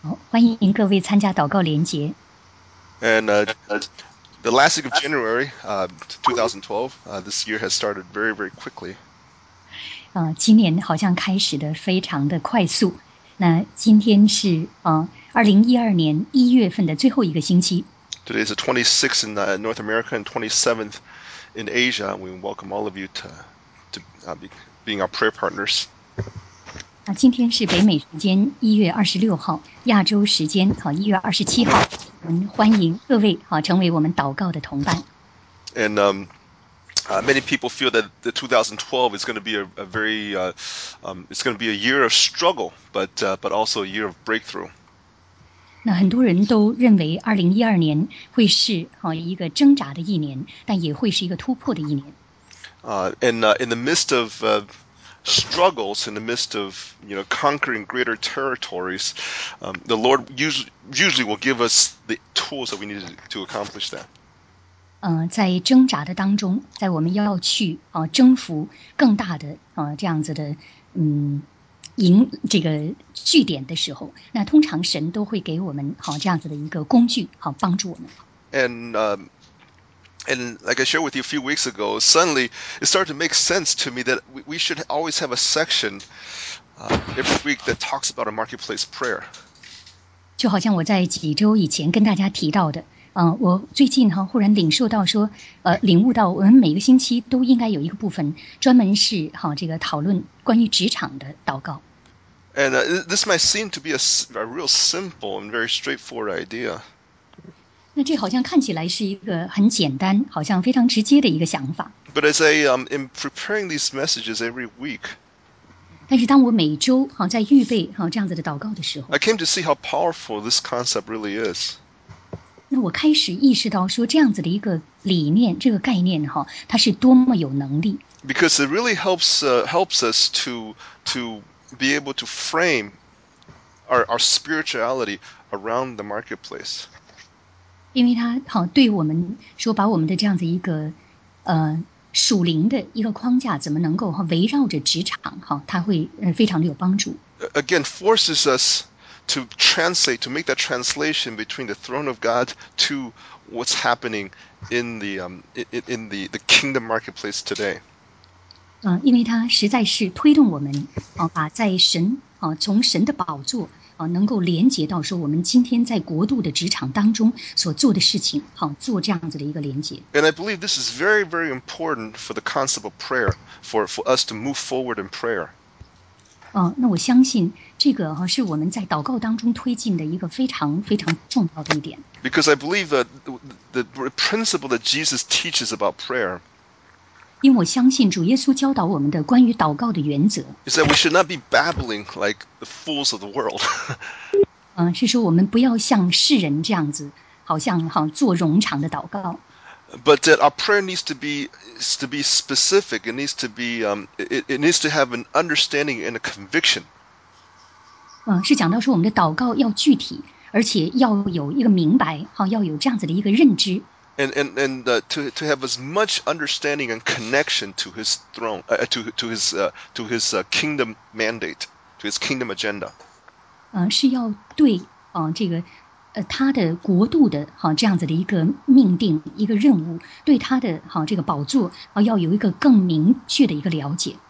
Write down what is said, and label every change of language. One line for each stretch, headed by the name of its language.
Chinese: 欢迎各位参加祷告连结。
English: And the last week of January, 2012, this year has started very, very quickly.
Chinese: 今年好像开始的非常的快速。那今天是2012年1月份的最后一个星期。
English: Today is the 26th in North America and 27th in Asia. We welcome all of you to being our prayer partners.
Chinese: 今天是北美时间1月26号，亚洲时间1月27号。我们欢迎各位成为我们祷告的同伴。
English: And many people feel that the 2012 is going to be it's going to be a year of struggle, but also a year of breakthrough.
Chinese: 那很多人都认为2012年会是一个挣扎的一年，但也会是一个突破的一年。
English: In the midst of struggles in the midst of, you know, conquering greater territories, the Lord usually will give us the tools that we need to accomplish that.
Chinese: 在挣扎的当中，在我们要去征服更大的这样子的营这个据点的时候，那通常神都会给我们这样子的一个工具帮助我们。
English: And like I shared with you a few weeks ago, suddenly it started to make sense to me that we should always have a section every week that talks about a marketplace prayer.
Chinese: 就好像我在几周以前跟大家提到的，我最近忽然领受到说，领悟到我们每个星期都应该有一个部分专门是这个讨论关于职场的祷告。
English: And this might seem to be a real simple and very straightforward idea.
Chinese: 那这好像看起来是一个很简单，好像非常直接的一个想法。
English: But as I am in preparing these messages every week,
Chinese: 但是当我每周在预备这样子的祷告的时候
English: ，I came to see how powerful this concept really is.
Chinese: 那我开始意识到说这样子的一个理念，这个概念它是多么有能力。
English: Because it really helps us to be able to frame our spirituality around the marketplace.
Chinese: 因为它对我们说把我们的这样子一个属灵的一个框架怎么能够围绕着职场它会非常的有帮助。
English: Again, forces us to translate, to make that translation between the throne of God to what's happening in the kingdom marketplace today.
Chinese: 因为它实在是推动我们把在神从神的宝座能够连接到说我们今天在国度的职场当中所做的事情做这样子的一个连接。
English: And I believe this is very, very important for the concept of prayer, for us to move forward in prayer.
Chinese: 那我相信这个是我们在祷告当中推进的一个非常非常重要的一点。
English: Because I believe that the principle that Jesus teaches about prayer,
Chinese: 因为我相信主耶稣教导我们的关于祷告的原则。
English: Is that we should not be babbling like the fools of the world.
Chinese: 是说我们不要像世人这样子，好像做冗长的祷告。
English: But that our prayer needs to be specific. It needs to be it needs to have an understanding and a conviction.
Chinese: 是讲到说我们的祷告要具体，而且要有一个明白，要有这样子的一个认知。
English: And to have as much understanding and connection to his throne, to his kingdom mandate, to his kingdom agenda.
Chinese: 是要对这个他的国度的这样子的一个命定一个任务，对他的这个宝座要有一个更明确的一个了解，